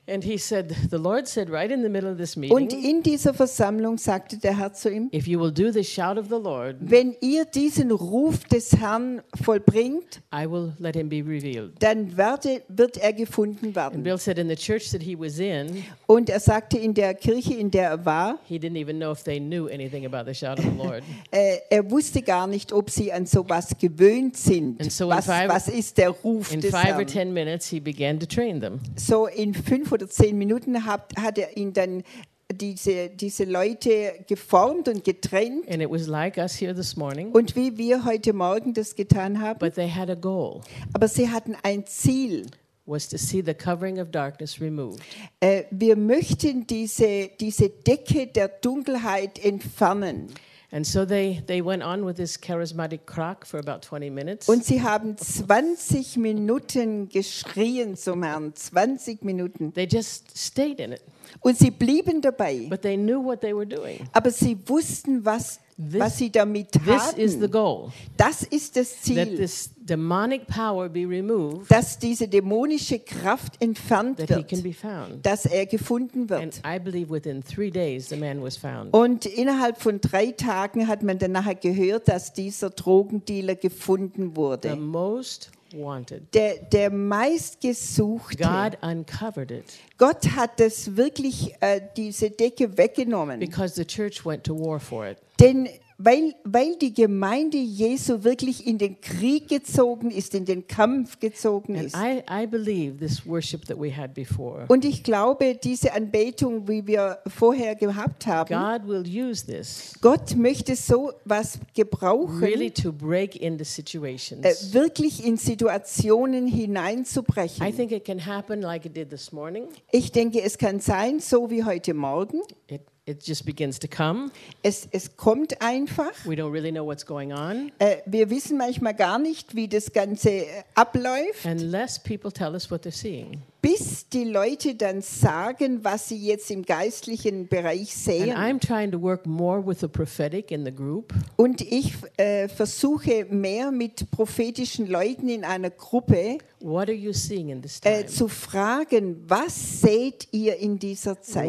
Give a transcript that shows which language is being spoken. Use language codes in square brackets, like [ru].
[en] And he said, the Lord said right in the middle of this meeting. [de] Und in dieser Versammlung sagte der Herr zu ihm, [en] if you will do the shout of the Lord, [de] wenn ihr diesen Ruf des Herrn vollbringt, [en] I will let him be revealed. [de] Dann wird er gefunden. [en] And Bill said in the church that he was in, [de] und er sagte in der Kirche, in der er war, [en] he didn't even know if they knew anything about the shout of the Lord. [de] Er wusste gar nicht, ob sie an sowas gewöhnt sind. [en] And so [de] was ist der Ruf [en] in [de] des [en] five [de] Herrn? [en] Or ten minutes he began to train them. [de] So in 5 oder 10 Minuten hat er ihn dann diese Leute geformt und getrennt. [en] And it was like us here this morning. [de] Und wie wir heute Morgen das getan haben. [en] But they had a goal. [de] Aber sie hatten ein Ziel. [en] Was to see the covering of darkness removed. [de] Wir möchten diese Decke der Dunkelheit entfernen. [en] And so they went on with this charismatic crack for about 20 minutes. [de] Und sie haben 20 Minuten geschrien zum Herrn, 20 Minuten. [en] They just stayed in it. [de] Und sie blieben dabei. [en] But they knew what they were doing. [de] Aber sie wussten, was sie damit taten. [en] This is the goal. [de] Das ist das Ziel. [en] That this demonic power be removed. [de] Dass diese dämonische Kraft entfernt [en] that [de] wird. [en] He can be found. [de] Dass er gefunden wird. [en] And I believe within 3 days the man was found. [de] Und innerhalb von 3 Tagen hat man dann nachher gehört, dass dieser Drogendealer gefunden wurde. [en] The most wanted. [de] Der meistgesuchte. [en] God uncovered it. [de] Gott hat das wirklich diese Decke weggenommen. [en] Because the church went to war for it. [de] Denn Weil die Gemeinde Jesu wirklich in den Krieg gezogen ist, in den Kampf gezogen ist. [en] I believe this worship that we had before. [de] Und ich glaube, diese Anbetung, wie wir vorher gehabt haben, [en] God will use this, [de] Gott möchte so was gebrauchen, [en] really to break in the situations. [de] Wirklich in Situationen hineinzubrechen. [en] I think it can happen like it did this morning. [de] Ich denke, es kann sein, so wie heute Morgen. [en] It just begins to come. [de] Es kommt einfach. [en] We don't really know what's going on. [de] Wir wissen manchmal gar nicht, wie das Ganze abläuft. [en] Unless people tell us what they're seeing. [de] Bis die Leute dann sagen, was sie jetzt im geistlichen Bereich sehen. [en] And I'm trying to work more with the prophetic in the group. [de] Und ich versuche mehr mit prophetischen Leuten in einer Gruppe. [en] What are you seeing in this time? [de] Zu fragen, was seht ihr in dieser Zeit?